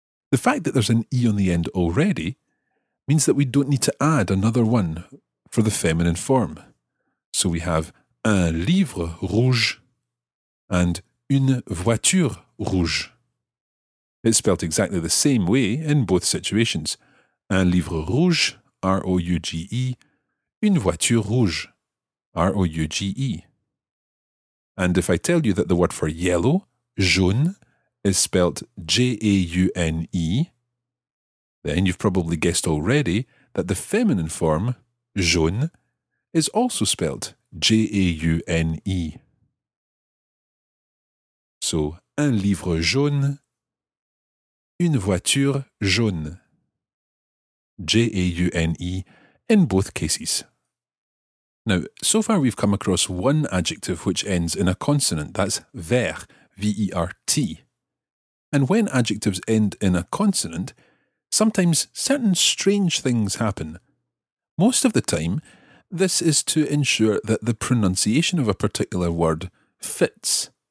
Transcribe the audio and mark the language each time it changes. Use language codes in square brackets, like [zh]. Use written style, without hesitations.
[en] The fact that there's an E on the end already means that we don't need to add another one for the feminine form. So we have [fr] un livre rouge [en] and [fr] une voiture rouge. [en] It's spelt exactly the same way in both situations. [fr] Un livre rouge, R-O-U-G-E, une voiture rouge, R-O-U-G-E. [en] And if I tell you that the word for yellow, jaune, is spelt J-A-U-N-E, then you've probably guessed already that the feminine form, jaune, is also spelt J-A-U-N-E. [fr] So, un livre jaune, une voiture jaune, J-A-U-N-E, [en] in both cases. Now, so far we've come across one adjective which ends in a consonant, that's vert, V-E-R-T. And when adjectives end in a consonant, sometimes certain strange things happen. Most of the time, this is to ensure that the pronunciation of a particular word fits.